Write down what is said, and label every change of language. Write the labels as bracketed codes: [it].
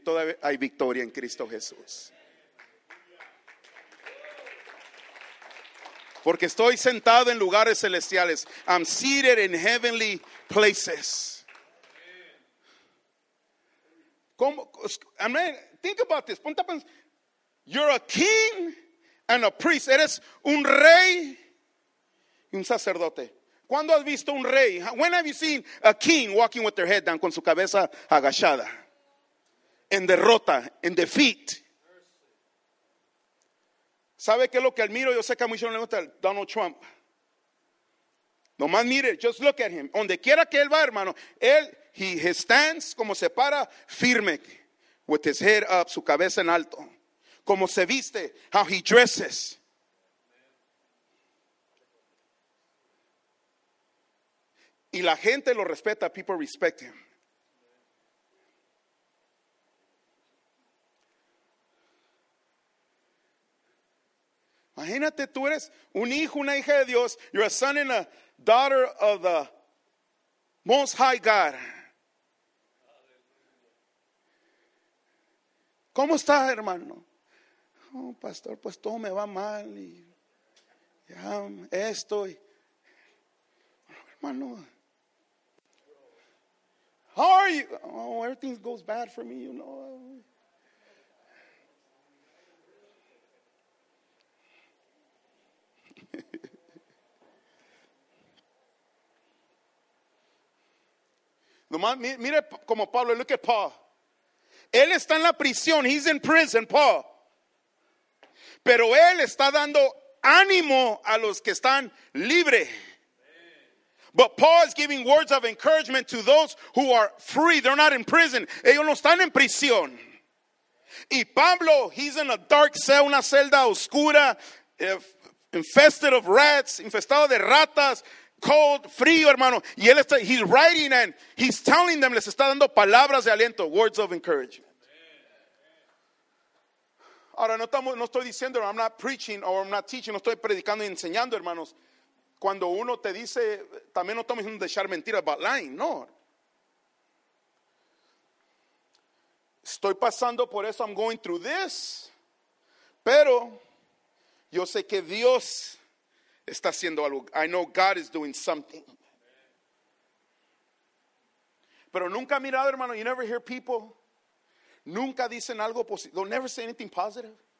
[es] Todavía hay victoria en Cristo Jesús. Porque estoy sentado en lugares celestiales. [en] I'm seated in heavenly places. [es] ¿Cómo? Amen. [en] Think about this. [es] Ponte a pensar. [en] You're a king and a priest. [es] Eres un rey y un sacerdote. ¿Cuándo has visto un rey? [en] When have you seen a king walking with their head down, [es] con su cabeza agachada? En derrota, en defeat. ¿Sabe qué es lo que admiro? Yo sé que a muchos no les gusta Donald Trump. Nomás mire, [en] just look at him. [es] Donde quiera que él va, hermano, él, [en] he stands, [es] como se para, firme, [en] with his head up, [es] su cabeza en alto. Como se viste, [en] how he dresses. [es] Y la gente lo respeta, [en] people respect him. [es] Imagínate, tú eres un hijo, una hija de Dios. [en] You're a son and a daughter of the Most High God. [es] ¿Cómo está, hermano? Oh, pastor, pues todo me va mal. Y ya estoy. Hermano. [en] How are you? Oh, everything goes bad for me, you know. [es] Mire como Pablo, [en] look at Paul. [es] Él está en la prisión, [en] he's in prison, [es] Paul. Pero él está dando ánimo a los que están libre. [en] But Paul is giving words of encouragement to those who are free. They're not in prison. [es] Ellos no están en prisión. [en] Y Pablo, he's in a dark cell, [es] una celda oscura, [en] infested of rats, [es] infestado de ratas. Cold, frío, hermano. Y él está, [en] he's writing and he's telling them, [es] les está dando palabras de aliento, [en] words of encouragement. [es] Ahora, no estoy diciendo, [en] I'm not preaching or I'm not teaching, [es] no estoy predicando y enseñando, hermanos. Cuando uno te dice, también no estamos diciendo de echar mentiras, [en] but lying, [es] no. Estoy pasando por eso, [en] I'm going through this. [es] Pero yo sé que Dios está haciendo algo. [en] I know God is doing something. [es] Pero nunca ha mirado, hermano. [en] You never hear people. [es] Nunca dicen algo positivo. [en] They'll never say anything positive.